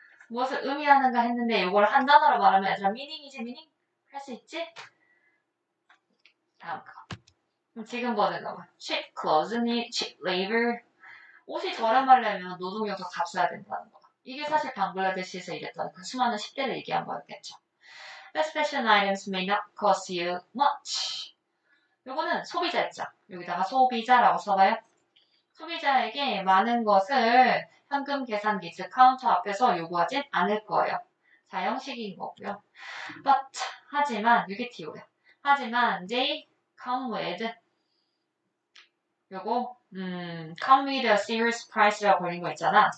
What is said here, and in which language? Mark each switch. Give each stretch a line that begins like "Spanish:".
Korean: 무엇을 의미하는가 했는데 이걸 한 단어로 말하면 애들아 미닝이지 미닝? 할수 있지? 다음 거. 지금 보는 거 봐.
English: Cheap clothes need cheap labor.
Korean: 옷이 저렴하려면 노동력을 값싸야 된다는 거. 이게 사실 방글라데시에서 일했던 그 수많은 10대를 얘기한 거였겠죠.
English: Best fashion items may not cost you much.
Korean: 요거는 소비자 있죠. 여기다가 소비자라고 써봐요. 소비자에게 많은 것을 현금 계산기 즉 카운터 앞에서 요구하진 않을 거예요. 자 형식인 거고요. But 하지만 이게 TO예요. 하지만
English: they come with 요거 come with a serious price라고
Korean: 걸린 거 있잖아.